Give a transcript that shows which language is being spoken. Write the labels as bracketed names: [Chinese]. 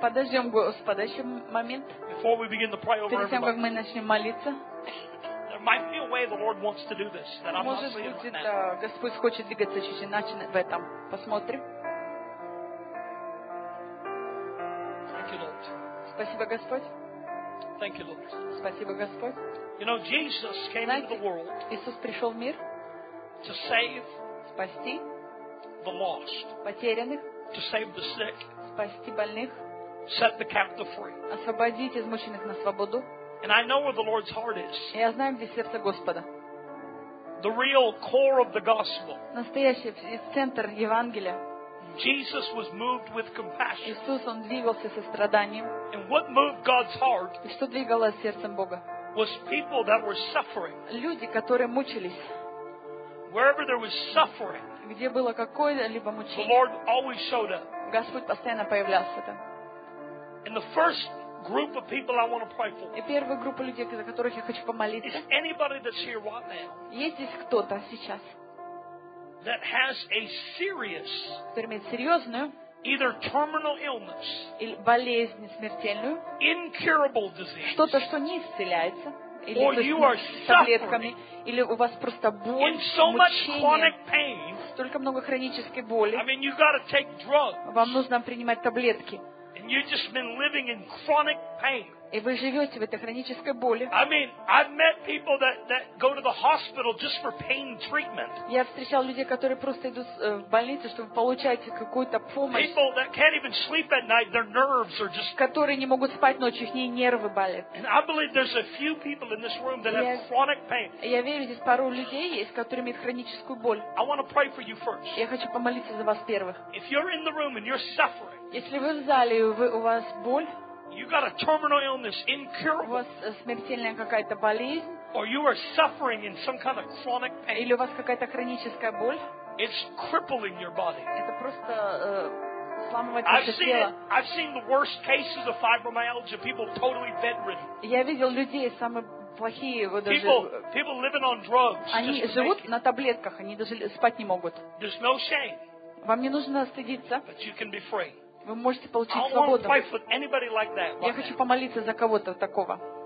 [Russian] Подождем Господа еще момент. [English] Before we begin to pray over everybody. [Russian] Перед тем, как мы начнем молиться. [English] There might be a way the Lord wants to do this. [Russian] Может быть, Господь хочет двигаться чуть иначе в этом. Посмотрим. Спасибо, Господь. [English] Thank you, Lord. [Russian] Спасибо, Господь. [English] You know, Jesus came [Russian] Знаете, [English] into the world [Russian] Иисус пришел в мир [English] to save [Russian] спасти [English] the lost, [Russian] потерянных, [English] to save the sick, [Russian] спасти больных, [English] set the captive free. [Russian] Освободить измученных на свободу. [English] And I know where the Lord's heart is. [Russian] Я знаю, где сердце Господа. [English] The real core of the gospel. [Russian] Настоящий центр Евангелия. [English] Jesus was moved with compassion. [Russian] Иисус он двигался со страданием. [English] And what moved God's heart? [Russian] И что двигало сердцем Бога? [English] Was people that were suffering. [Russian] Люди, которые мучились. [English] Wherever there was suffering. [Russian] Где было какое-либо мучение. [English] The Lord always showed up. [Russian] Господь постоянно появлялся там. [English] And the first group of people I want to pray for. [Russian] И первая группа людей, за которых я хочу помолиться. [English] Is anybody that's here right now? [Russian] Есть здесь кто-то сейчас? [English] That has a serious, [Russian] который имеет серьезную, [English] either terminal illness, [Russian] или болезнь смертельную, [English] incurable disease, [Russian] что-то, что не исцеляется, или [English] or you are [Russian] таблетками, или у вас просто боль, [English] in so [Russian] мучение, [English] much chronic pain, [Russian] столько много хронической боли. [English] I mean, you've got to take drugs, [Russian] вам нужно принимать таблетки. [English] And you've just been living in chronic pain. [Russian] И вы живете в этой хронической боли. [English] I mean, I've met people that go to the hospital just for pain treatment. [Russian] Я встречал людей, которые просто идут в больницу, чтобы получать какую-то помощь. [English] People that can't even sleep at night, their nerves are just. [Russian] Которые не могут спать ночью, их нервы болят. [English] And I believe there's a few people in this room that have chronic pain. [Russian] Я верю, здесь пару людей есть, которые имеют хроническую боль. [English] I want to pray for you first. [Russian] Я хочу помолиться за вас первых. [English] If you're in the room and you're suffering. [Russian] Если вы в зале, у вас боль. [English] You got a terminal illness, incurable. [Russian] У вас смертельная какая-то болезнь. [English] Or you are suffering in some kind of chronic pain. [Russian] Или у вас какая-то хроническая боль. [English] It's crippling your body. [Russian] Это просто сломывает ваше тело. [English] I've seen the worst cases of fibromyalgia, people totally bedridden. [Russian] Я видел людей самые плохие, вот даже. [English] People living on drugs. [Russian] Они живут на таблетках, они даже спать не могут. [English] There's no shame. [Russian] Вам не нужно стыдиться. [English] But you can be free. [Russian] Вы можете получить свободу. Я хочу помолиться за кого-то такого.